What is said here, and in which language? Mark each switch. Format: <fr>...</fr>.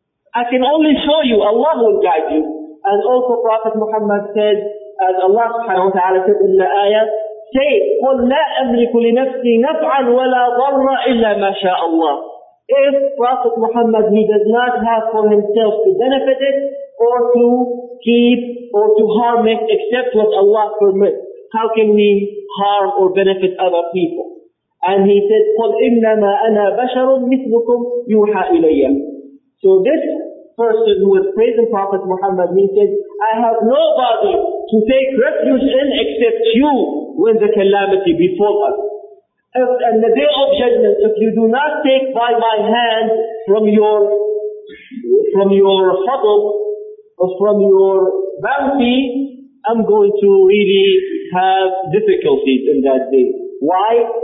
<en>I can only show you, Allah will guide you. And also Prophet Muhammad said, as Allah subhanahu wa ta'ala said in the ayah, say,</en> <ar>قُلْ لَا أَمْلِكُ لِنَفْسِي نَفْعًا وَلَا ضَرًّا إِلَّا مَا شَاءَ اللَّهُ.</ar> <en>If Prophet Muhammad, he does not have for himself to benefit it, or to keep, or to harm it, except what Allah permits. How can we harm or benefit other people? And he said,</en> <ar>قُلْ إِنَّمَا أَنَا بَشَرٌ مِثْلُكُمْ يُوحَى إِلَيَّ.</ar> <en>So this person who was praising Prophet Muhammad, he said, I have nobody to take refuge in except you when the calamity befalls us. And the day of judgment, if you do not take by my hand from your fadl or from your bounty, I'm going to really have difficulties in that day. Why?</en>